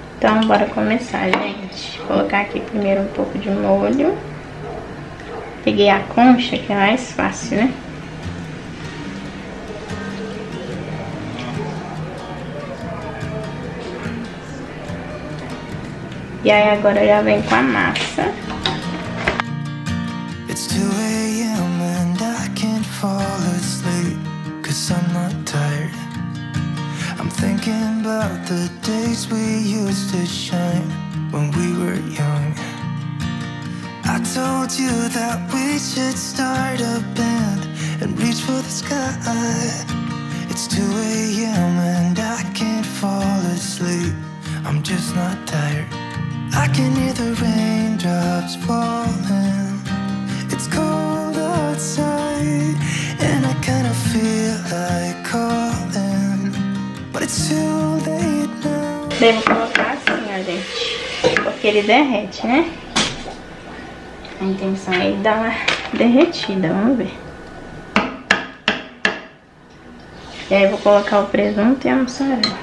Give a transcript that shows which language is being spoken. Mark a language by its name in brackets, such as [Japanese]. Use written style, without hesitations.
[Portuguese] Então, bora começar, gente, vou colocar aqui primeiro um pouco de molho. Peguei a concha, que é mais fácil, né? E aí agora já vem com a massa. [English] It's 2 AM and I can't fall asleep, 'cause I'm not tired. I'm thinking about the days we used to shine when we were young. I told you that we should start a band and reach for the sky. It's 2 AM and I can't fall asleep, I'm just not tired. I can hear the raindrops falling, it's cold outside, and I kind of feel like calling, but it's too late now. [Portuguese] Devo colocar assim, gente, porque ele derrete, né? A intenção é dar uma derretida, vamos ver. E aí eu vou colocar o presunto e a mussarela.